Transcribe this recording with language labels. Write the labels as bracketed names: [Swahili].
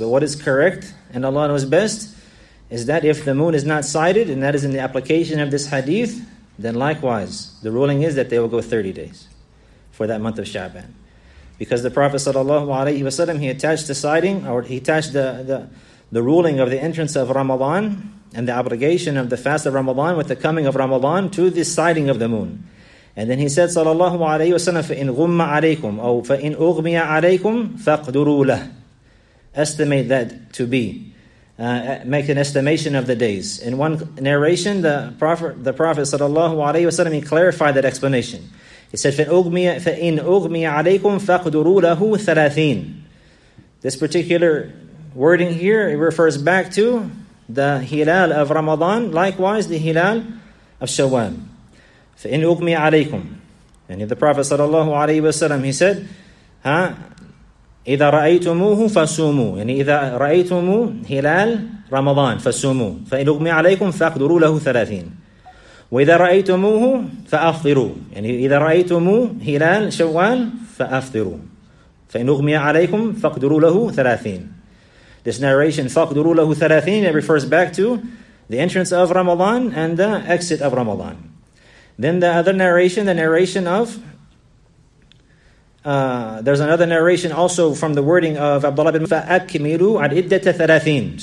[English] But what is correct, and Allah knows best, is that if the moon is not sighted, and that is in the application of this hadith, then likewise, the ruling is that they will go 30 days for that month of Sha'ban. Because the Prophet sallallahu alaihi wasallam, he attached the sighting, or he attached the ruling of the entrance of Ramadan and the obligation of the fast of Ramadan with the coming of Ramadan to the sighting of the moon. And then he said sallallahu alaihi wasallam, [Arabic] فَإِنْ غُمَّ عَلَيْكُمْ أَوْ فَإِنْ أُغْمِيَ عَلَيْكُمْ فَاقْدُرُوا لَهُ. [English] Estimate that to be. Make an estimation of the days. In one narration, the Prophet sallallahu alaihi wasallam, he clarified that explanation. He said, [Arabic] فَإِنْ أُغْمِيَ عَلَيْكُمْ فَاقْدُرُوا لَهُ ثَلَاثِينَ. [English] This particular wording here, it refers back to the hilal of Ramadan, likewise the hilal of Shawwal. [Arabic] فَإِنْ أُغْمِيَ عَلَيْكُمْ. [English] And the Prophet sallallahu alaihi wasallam, he said, [Arabic] إِذَا رَأَيْتُمُوهُ فَسُومُوا. يعني إذا رأيتم هلال رمضان فسوموا. فإن أغمي عليكم فاقدروا له 30. وإذا رأيتموه فأفطروا. يعني إذا رأيتم هلال شوال فأفطروا. فإن أغمي عليكم فاقدروا له 30. [English] This narration, [Arabic] فاقدروا له 30, [English] it refers back to the entrance of Ramadan and the exit of Ramadan. Then the other narration, the narration of there's another narration also from the wording of Abdullah bin [Arabic] فَأَكْمِلُوا عَلْإِدَّةَ ثَلَاثِينَ.